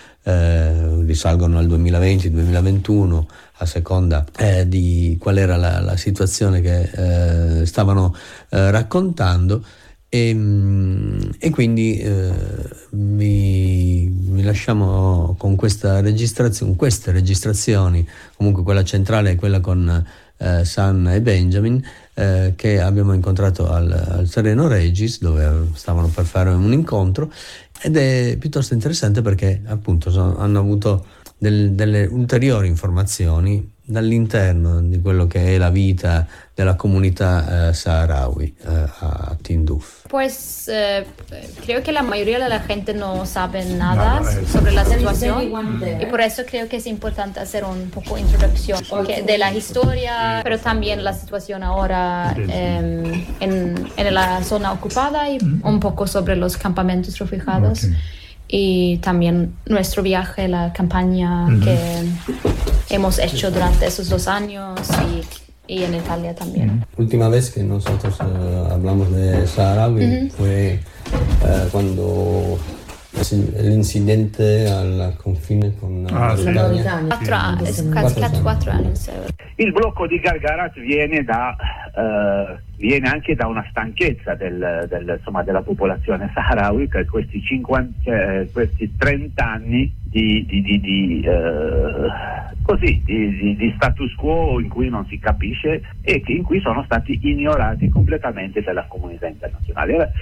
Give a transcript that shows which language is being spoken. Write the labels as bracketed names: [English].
[Italian] Risalgono al 2020-2021 a seconda di qual era la situazione che stavano raccontando, e quindi mi lasciamo con queste registrazioni, comunque quella centrale è quella con San e Benjamin, che abbiamo incontrato al Sereno Regis, dove stavano per fare un incontro. Ed è piuttosto interessante perché appunto hanno avuto delle ulteriori informazioni dall'interno di quello che è la vita della comunità saharawi a Tinduf. [Spanish] Pues creo que la mayoría de la gente no sabe nada sobre la situación y por eso creo que es importante hacer un poco introducción de la historia, pero también la situación ahora en la zona ocupada y un poco sobre los campamentos refugiados. Y también nuestro viaje, la campaña que hemos hecho durante esos dos años y en Italia también. Última vez que nosotros hablamos de saharaui fue cuando el incidente al confine con Jordania. Casi cuatro años. [Italian] El bloco de Gargarat viene anche da una stanchezza insomma, della popolazione saharawi per questi 30 anni di status quo in cui non si capisce e in cui sono stati ignorati completamente dalla comunità internazionale.